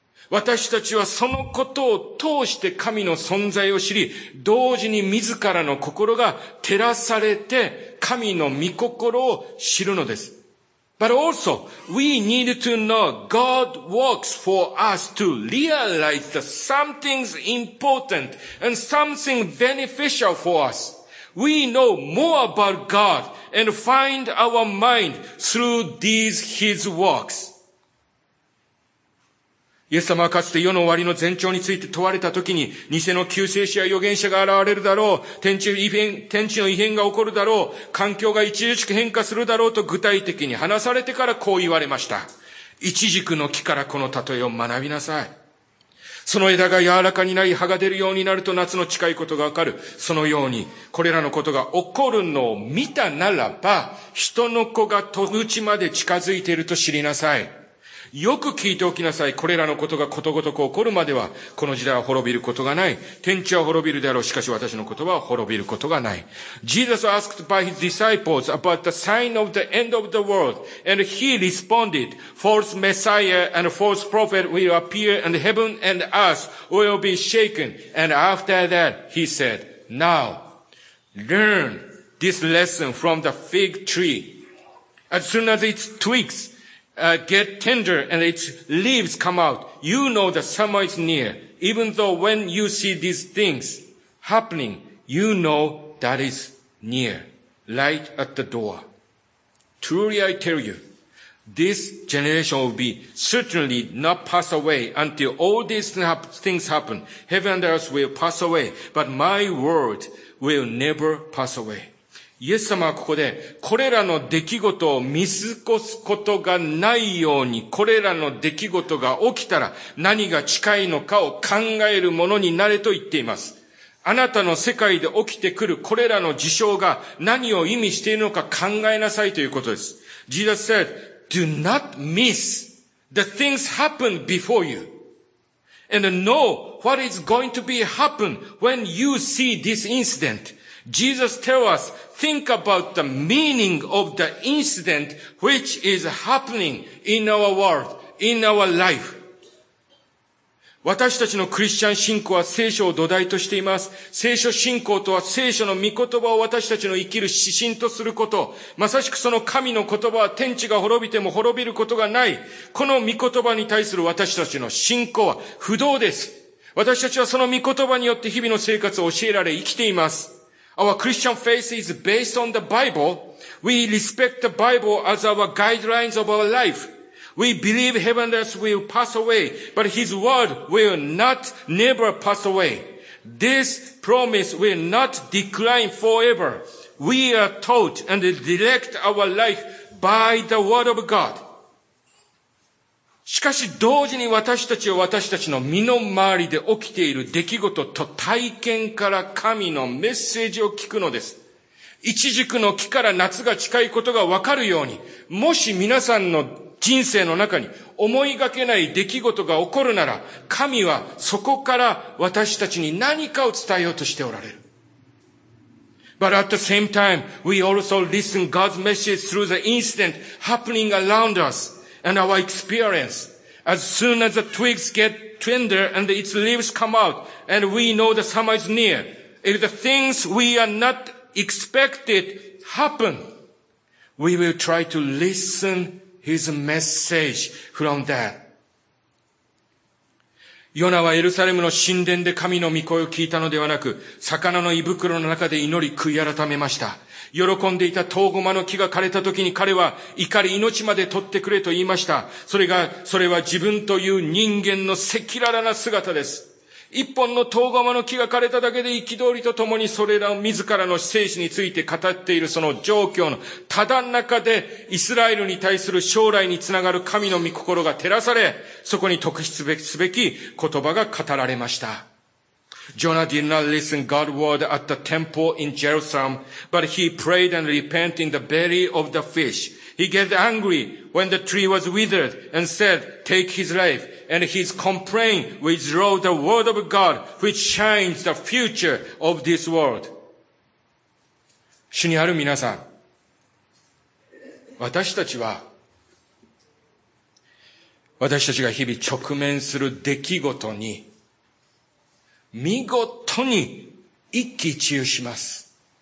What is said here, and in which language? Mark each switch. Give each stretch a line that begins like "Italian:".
Japanese: 私たちはそのことを通して神の存在を知り、同時に自らの心が照らされて神の御心を知るのです。
English: But also, we need to know God works for us to realize that something's important and something beneficial for us. We know more about God and find our mind through these His works.
Japanese: イエス様はかつて世の終わりの前兆について問われたときに、偽の救世主や預言者が現れるだろう、天地の異変が起こるだろう、環境が著しく変化するだろうと具体的に話されてからこう言われました。イチジクの木からこの例えを学びなさい。その枝が柔らかになり葉が出るようになると夏の近いことがわかる。そのように、これらのことが起こるのを見たならば、人の子が戸口まで近づいていると知りなさい。よく聞いておきなさい。これらのことがことごとく起こるまでは、この時代は滅びることがない。天地は滅びるであろう。しかし私の言葉は滅びることがない。
English: Jesus asked by his disciples about the sign of the end of the world, and he responded, false messiah and false prophet will appear, and heaven and earth will be shaken. And after that, he said, now, learn this lesson from the fig tree. As soon as its twigs, get tender and its leaves come out, you know the summer is near. Even though when you see these things happening, you know that is near, right at the door. Truly I tell you, this generation will be certainly not pass away until all these things happen. Heaven and earth will pass away, but my word will never pass away.
Japanese: イエス様はここで、これらの出来事を見過ごすことがないように、これらの出来事が起きたら何が近いのかを考えるものになれと言っています。あなたの世界で起きてくるこれらの事象が何を意味しているのか考えなさいということです。
English: Jesus said, do not miss the things happen before you, and know what is going to be happen when you see this incident. Jesus tell us, think about the meaning of the incident which is happening in our world, in our life.
Japanese: 私たちのクリスチャン信仰は聖書を土台としています。聖書信仰とは聖書の御言葉を私たちの生きる指針とすること。まさしくその神の言葉は天地が滅びても滅びることがない。この御言葉に対する私たちの信仰は不動です。私たちはその御言葉によって日々の生活を教えられ生きています。
English: Our Christian faith is based on the Bible. We respect the Bible as our guidelines of our life. We believe heaven and earth will pass away, but His word will not never pass away. This promise will not decline forever. We are taught and direct our life by the word of God.
Japanese: しかし同時に私たちは私たちの身の回りで起きている出来事と体験から神のメッセージを聞くのです。イチジクの木から夏が近いことがわかるように、もし皆さんの人生の中に思いがけない出来事が起こるなら、神はそこから私たちに何かを伝えようとしておられる。
English: But at the same time, we also listen God's message through the incident happening around us. And our experience, as soon as the twigs get tender and its leaves come out, and we know the summer is near, if the things we are not expected happen, we will try to listen his message from that.
Japanese: ヨナはエルサレムの神殿で神の御声を聞いたのではなく、魚の胃袋の中で祈り悔い改めました。喜んでいたトウゴマの木が枯れた時に彼は怒り命まで取ってくれと言いました。それは自分という人間の赤裸々な姿です。一本のトウゴマの木が枯れただけで憤りとともにそれらを自らの生死について語っているその状況のただ中でイスラエルに対する将来につながる神の御心が照らされ、そこに特筆すべき言葉が語られました。
English: Jonah did not listen God's word at the temple in Jerusalem, but he prayed and repented in the belly of the fish. He got angry when the tree was withered and said, take his life. And his complaint withdrew the word of God, which shines the future of this world.
Japanese: 主にある皆さん、私たちが日々直面する出来事に見事に一喜一憂します。